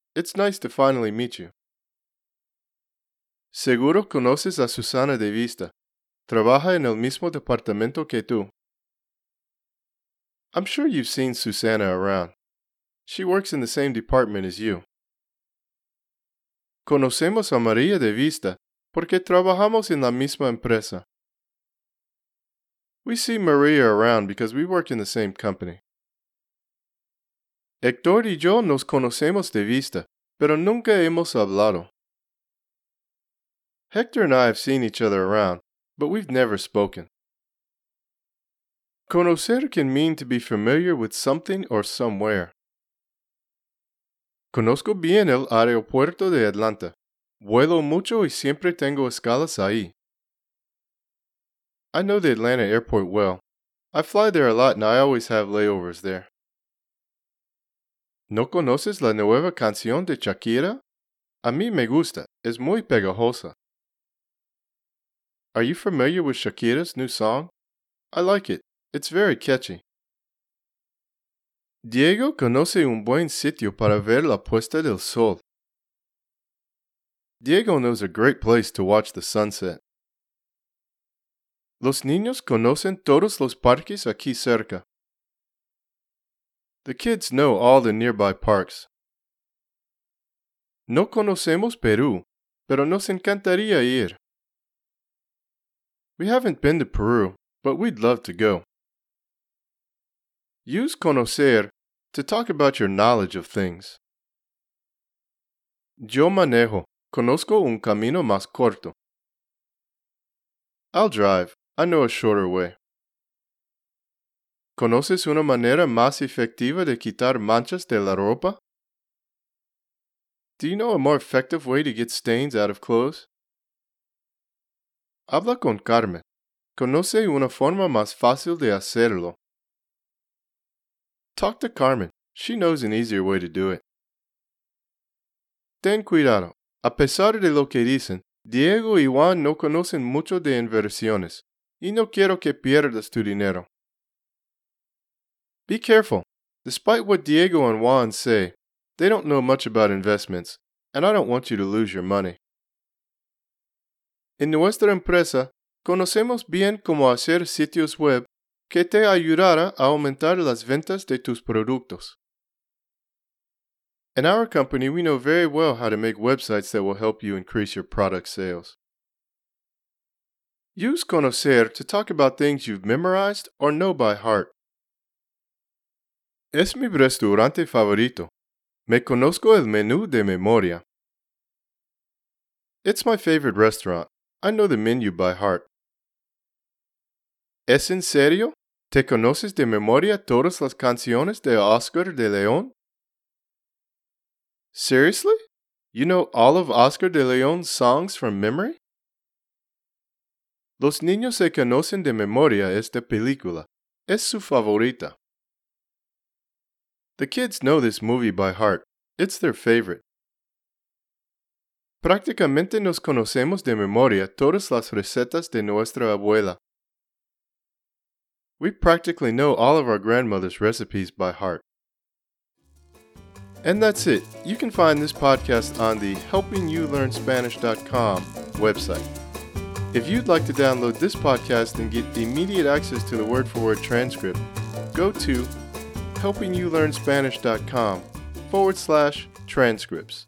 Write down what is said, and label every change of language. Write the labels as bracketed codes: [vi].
[en] It's nice to finally meet you. [es] Seguro conoces a Susana de vista. Trabaja en el mismo departamento que tú. [en] I'm sure you've seen Susana around. She works in the same department as you. [es] Conocemos a María de vista porque trabajamos en la misma empresa. [en] We see María around because we work in the same company. [es] Héctor y yo nos conocemos de vista, pero nunca hemos hablado. [en] Héctor and I have seen each other around, but we've never spoken. Conocer can mean to be familiar with something or somewhere. [es] Conozco bien el aeropuerto de Atlanta. Vuelo mucho y siempre tengo escalas ahí. [en] I know the Atlanta airport well. I fly there a lot and I always have layovers there. [es] ¿No conoces la nueva canción de Shakira? A mí me gusta. Es muy pegajosa. [en] Are you familiar with Shakira's new song? I like it. It's very catchy. [es] Diego conoce un buen sitio para ver la puesta del sol. [en] Diego knows a great place to watch the sunset. [es] Los niños conocen todos los parques aquí cerca. [en] The kids know all the nearby parks. [es] No conocemos Perú, pero nos encantaría ir. [en] We haven't been to Peru, but we'd love to go. Use conocer to talk about your knowledge of things. [es] Yo manejo. Conozco un camino más corto. [en] I'll drive. I know a shorter way. [es] ¿Conoces una manera más efectiva de quitar manchas de la ropa? [en] Do you know a more effective way to get stains out of clothes? [es] Habla con Carmen. ¿Conoce una forma más fácil de hacerlo? [en] Talk to Carmen. She knows an easier way to do it. [es] Ten cuidado. A pesar de lo que dicen, Diego y Juan no conocen mucho de inversiones, y no quiero que pierdas tu dinero. [en] Be careful. Despite what Diego and Juan say, they don't know much about investments, and I don't want you to lose your money. [es] En nuestra empresa, conocemos bien cómo hacer sitios web que te ayudará a aumentar las ventas de tus productos. [en] In our company, we know very well how to make websites that will help you increase your product sales. Use conocer to talk about things you've memorized or know by heart. [es] Es mi restaurante favorito. Me conozco el menú de memoria. [en] It's my favorite restaurant. I know the menu by heart. [es] ¿Es en serio? ¿Te conoces de memoria todas las canciones de Oscar de León? [en] Seriously? You know all of Oscar de León's songs from memory? [es] Los niños se conocen de memoria esta película. Es su favorita. [en] The kids know this movie by heart. It's their favorite. [es] Prácticamente nos conocemos de memoria todas las recetas de nuestra abuela. [en] We practically know all of our grandmother's recipes by heart. And that's it. You can find this podcast on the HelpingYouLearnSpanish.com website. If you'd like to download this podcast and get immediate access to the word-for-word transcript, go to HelpingYouLearnSpanish.com/transcripts.